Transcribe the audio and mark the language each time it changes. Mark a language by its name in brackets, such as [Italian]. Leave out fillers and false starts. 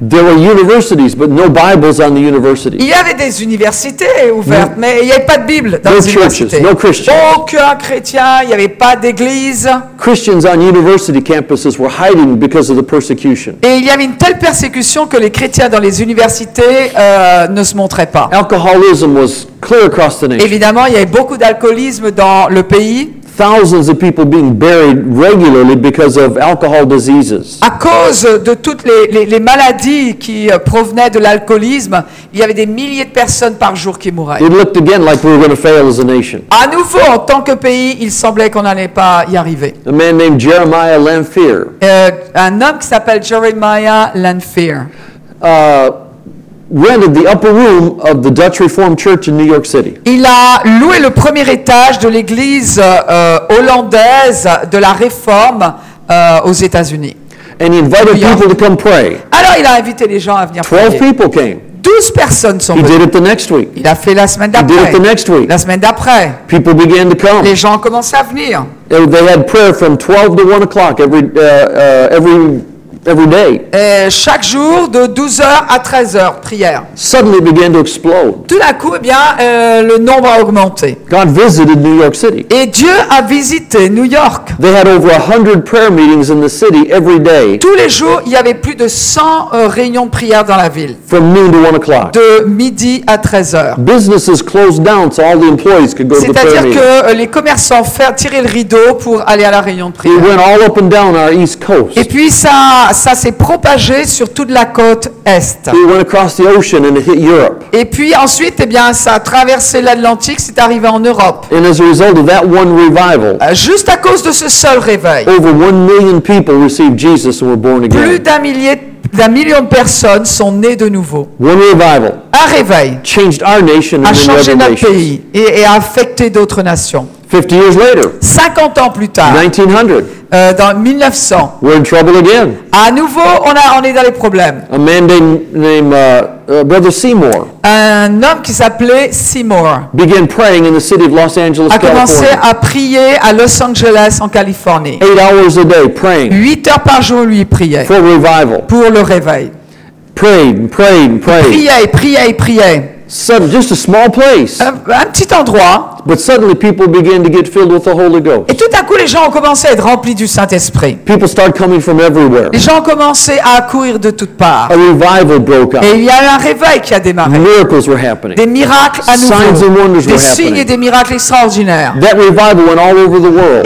[English] There were universities, but no Bibles on the universities. [French] Il y avait des universités ouvertes, mais il n'y avait pas de Bible dans [English] no [French] les universités. [English] No Christians. [French] Aucun chrétien, il n'y avait pas d'église. [English] Christians on university campuses were hiding because of the persecution. [French] Et il y avait une telle persécution que les chrétiens dans les universités ne se montraient pas. [English] Alcoholism was clear across the nation. [French] Évidemment, il y avait beaucoup d'alcoolisme dans le pays. [English] Thousands of people being buried regularly because of alcohol diseases. [French] À cause de toutes les maladies qui provenaient de l'alcoolisme, il y avait des milliers de personnes par jour qui mouraient. [English] It looked again like we were going to fail as a nation. [French] À nouveau, en tant que pays, il semblait qu'on n'allait pas y arriver. [English] A man named Jeremiah Lanphier. [French] Un homme qui s'appelle Jeremiah Lanphier. [English] Rented the upper room of the Dutch Reformed Church in New York City. [French] Il a loué le premier étage de l'église hollandaise de la réforme aux États-Unis. [English] And he invited people to come pray. [French] Alors il a invité les gens à venir 12 prier. [English] 12 people came. [French] 12 personnes sont venues. [English] He did it the next week. [French] Il a fait la semaine d'après. [English] He did it the next week. [French] La semaine d'après. [English] People began to come. [French] Les gens commençaient à venir. [English] And they had prayer from 12 to 1 o'clock every day. [French] Et chaque jour de 12h à 13h prière. [English] Suddenly began to explode. [French] Tout d'un coup, le nombre a augmenté. [English] God visited New York City. [French] Et Dieu a visité New York. [English] They had over 100 prayer meetings in the city every day. [French] Tous les jours, il y avait plus de 100 réunions de prière dans la ville. [English] From noon to 1 o'clock. [French] De midi à 13h. [English] Businesses closed down so all the employees could go to the prayer. [French] C'est-à-dire que les commerçants faire tirer le rideau pour aller à la réunion de prière. [English] It went all up and down our east coast. [French] Et puis ça s'est propagé sur toute la côte est. [English] It went across the ocean and it hit Europe. [French] Et puis ensuite, ça a traversé l'Atlantique, c'est arrivé en Europe. [English] And as a result of that one revival, [French] juste à cause de ce seul réveil, [English] over 1 million people received Jesus and were born again. [French] Plus d'1 million de personnes sont nées de nouveau. [English] One revival, [French] un réveil, [English] changed our nation [French] a changé [English] and [French] notre pays et a affecté d'autres nations. [English] 50 years later, [French] 50 ans plus tard, [English] 1900. [French] Dans 1900. [English] We're in trouble again. [French] À nouveau, on est dans les problèmes. [English] A man named Brother Seymour. [French] Un homme qui s'appelait Seymour. [English] Began praying in the city of Los Angeles, [French] a commencé [English] California. [French] À prier à Los Angeles, en Californie. [English] 8 hours a day praying. [French] 8 heures par jour, lui priait. [English] For revival. [French] Pour le réveil. [English] Prayed. [French] Priait. [English] Just a small place. [French] Un petit endroit. [English] But suddenly people began to get filled with the Holy Ghost. [French] Et tout à coup, les gens ont commencé à être remplis du Saint-Esprit. [English] People started coming from everywhere. [French] Les gens ont commencé à accourir de toutes parts. [English] A revival broke out. [French] Et il y a un réveil qui a démarré. [English] Miracles were happening. [French] Des miracles à nouveau. [English] Signs and wonders [French] des [English] were [French] signes et des miracles extraordinaires. [English] That revival went all over the world.